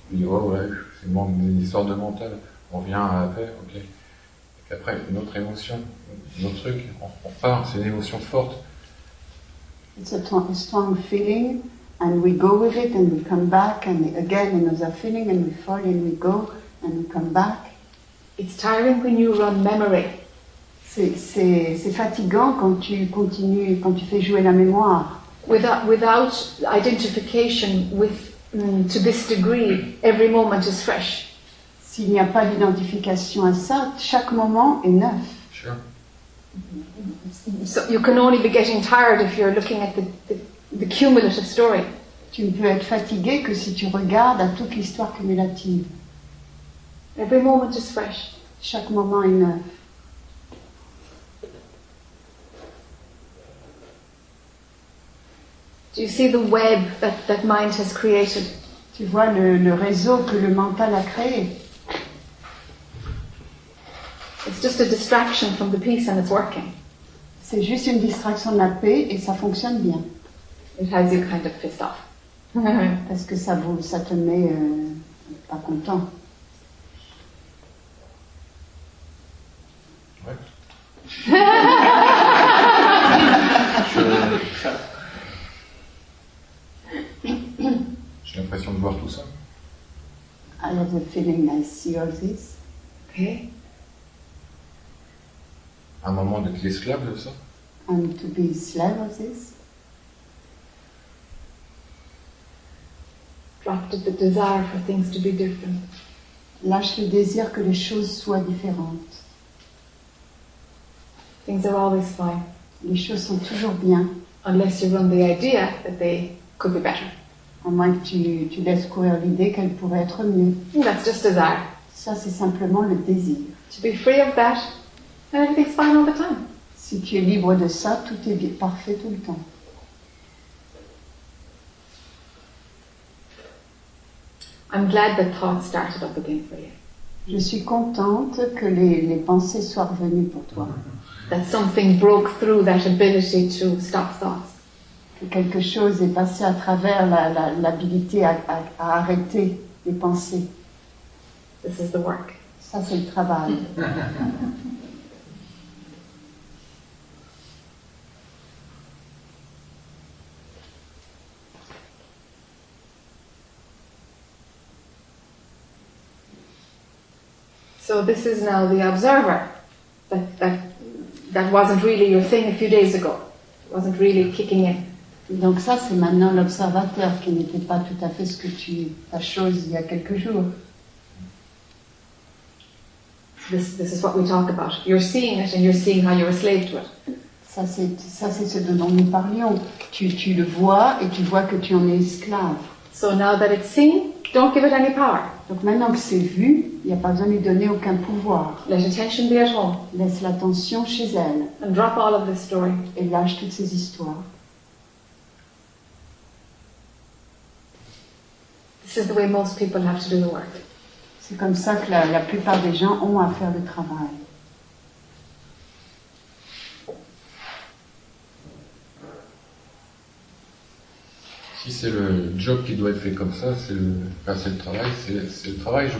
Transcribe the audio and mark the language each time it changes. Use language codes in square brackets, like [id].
[fr] Je dis, oh, ouais, c'est une histoire de mental. On revient après, ok. Et après, une autre émotion, un autre truc, on part, c'est une émotion forte. [en] It's a strong feeling, and we go with it, and we come back, and again, another feeling, and we fall, and we go, and we come back. It's tiring when you run memory. [fr] C'est fatigant quand tu continues, quand tu fais jouer la mémoire. [en] Without identification with to this degree, every moment is fresh. [fr] S'il n'y a pas d'identification à ça, chaque moment est neuf. [en] Sure. So you can only be getting tired if you're looking at the cumulative story. [fr] Tu ne peux être fatigué que si tu regardes à toute l'histoire cumulative. [en] Every moment is fresh. [fr] Chaque moment est neuf. [en] Do you see the web that mind has created? [fr] Tu vois le réseau que le mental a créé? [en] It's just a distraction from the peace and it's working. [fr] C'est juste une distraction de la paix et ça fonctionne bien. [en] It has you kind of pissed off. [fr] Parce que ça te met pas content. J'ai l'impression de voir tout ça. [en] I have the feeling I see all this. Okay. [fr] Un moment d'être l'esclave de ça. [en] And to be slave of this. Dropped the desire for things to be different. [fr] Lâche le désir que les choses soient différentes. [en] Things are always fine. [fr] Les choses sont toujours bien. [en] Unless you run the idea that they could be better. [fr] À moins que tu laisses courir l'idée qu'elle pourrait être mieux. [en] That's just desire. [fr] Ça, c'est simplement le désir. [en] To be free of that, then everything's fine all the time. [fr] Si tu es libre de ça, tout est bien, parfait tout le temps. [en] I'm glad the thought started up again for you. [fr] Je suis contente que les pensées soient revenues pour toi. [en] That something broke through that ability to stop thoughts. [fr] Que quelque chose est passé à travers l'habilité à arrêter les pensées. [en] This is the work. [fr] Ça, c'est le travail. [en] So this is now the observer that wasn't really your thing a few days ago. It wasn't really kicking in. [fr] Donc ça, c'est maintenant l'observateur qui n'était pas tout à fait ce que tu ta chose il y a quelques jours. [en] This is what we talk about. You're seeing it and you're seeing how you're a slave to it. [fr] Ça c'est ce dont nous parlions. Tu le vois et tu vois que tu en es esclave. [en] So now that it's seen, don't give it any power. [fr] Donc maintenant que c'est vu, il n'y a pas besoin de lui donner aucun pouvoir. [en] Let attention be at home. [fr] Laisse l'attention chez elle. [en] And drop all of this story. [fr] Et lâche toutes ces histoires. [en] This is the way most people have to do the work. [fr] C'est comme ça que la plupart des gens ont à faire le travail. Si c'est le job qui doit être fait comme ça, c'est le travail.